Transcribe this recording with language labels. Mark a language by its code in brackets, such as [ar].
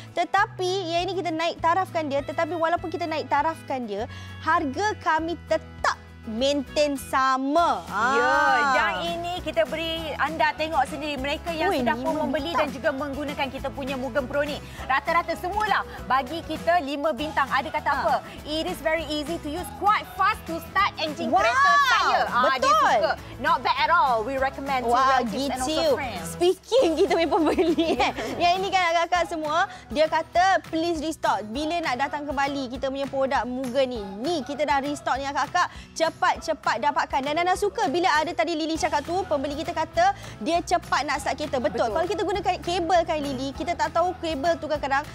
[ms] Tetapi yang ini kita naik tarafkan dia. Tetapi walaupun kita naik tarafkan dia, harga kami tetap maintain sama. Yang ini kita beri anda tengok sendiri. Mereka yang sudah pun membeli dan juga menggunakan kita punya Mugen Pro ni. Rata-rata semualah bagi kita 5 bintang. Ada kata apa? [en] It is very easy to use, quite fast to start engine [ms] kereta tayar. Betul. [en] Not bad at all. We recommend to relatives and also friends. [ms] Speaking kita punya pembeli. Yang ini kan agak-agak semua. Dia kata [en] please restock. [ms] Bila nak datang kembali kita punya produk Mugen ni. Ni kita dah restock ni agak-agak. Cepat-cepat dapatkan. Dan Nana suka bila ada tadi Lily cakap tu, pembeli kita kata dia cepat nak start kereta. Betul. Kalau kita gunakan kabel kan Lily, kita tak tahu kabel tu kadang-kadang.